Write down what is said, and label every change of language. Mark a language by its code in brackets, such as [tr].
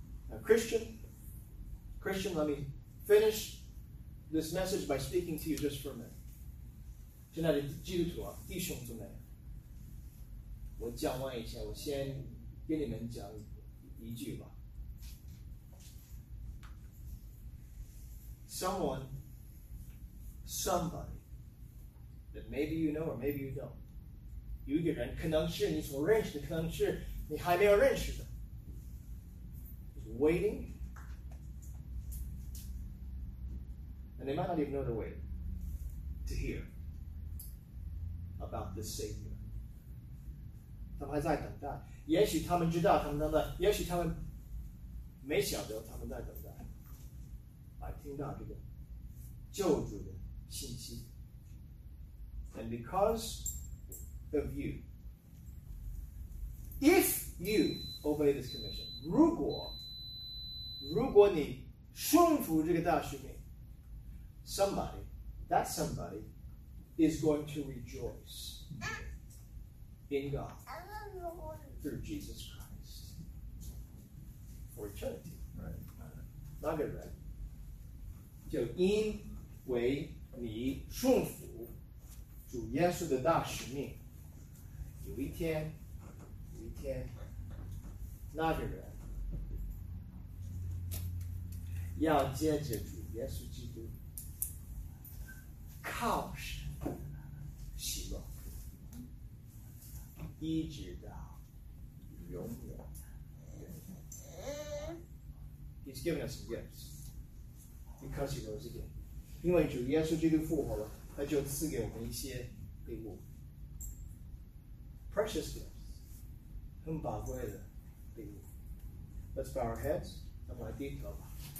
[en] Now, Christian, let me finish this message by speaking to you just for a minute. [zh] 亲爱的基督徒啊，弟兄姊妹, 我讲完以前，我先跟你们讲一句吧。 [en] Someone, somebody, that maybe you know or maybe you don't. [zh] 有一个人，可能是你所认识的，可能是你还没有认识的。 [en] Waiting, and they might not even know the way to hear about the Savior. [zh] 他们还在等待，也许他们知道他们等待，也许他们没晓得他们在等待，来听到这个救主的信息。 [en] And because of you, if you obey this commission, [zh] 如果你顺服这个大使命， [en] somebody, that somebody is going to rejoice in God through Jesus Christ for eternity. Right. Not good, right? [zh] 就因为你顺服主耶稣的大使命，有一天那个人要接着主耶稣基督靠神喜乐，一直到永远。 [en] He's given us gifts because he knows again. [zh] 因为主耶稣基督复活了，他就赐给我们一些礼物， [en] precious gifts， [zh] 很宝贵的礼物。 [en] Let's bow our heads. [zh] 我们来低头吧。